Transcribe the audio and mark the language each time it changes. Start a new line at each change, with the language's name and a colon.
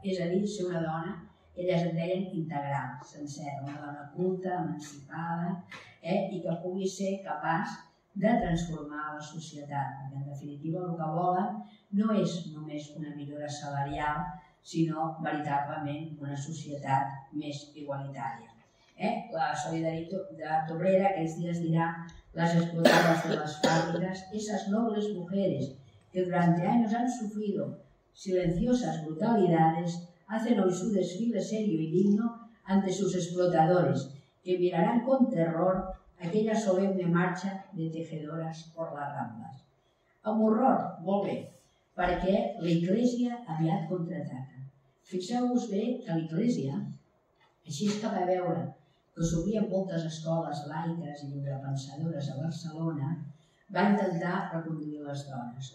Catalan: És a dir, ser una dona, elles en deien integral, sencera, una dona culta, emancipada, i que pugui ser capaç de transformar la societat, perquè en definitiva el que volen no és només una millora salarial, sinó veritablement una societat més igualitària. La Solidaritat d'Obrera aquells dies dirà les explotades de les fàbriques,
Spanish: esas nobles mujeres que durante años han sufrido silenciosas brutalidades, hacen hoy su desfile serio y digno ante sus explotadores, que mirarán con terror aquella solemne marxa de tejedores
Catalan: per les Rambles. Amb horror, molt bé, perquè l'Iglésia aviat contraataca. Fixeu-vos bé que l'Iglésia, així que va veure que s'obrien moltes escoles laiques i lliurepensadores a Barcelona, va intentar reconduir les dones.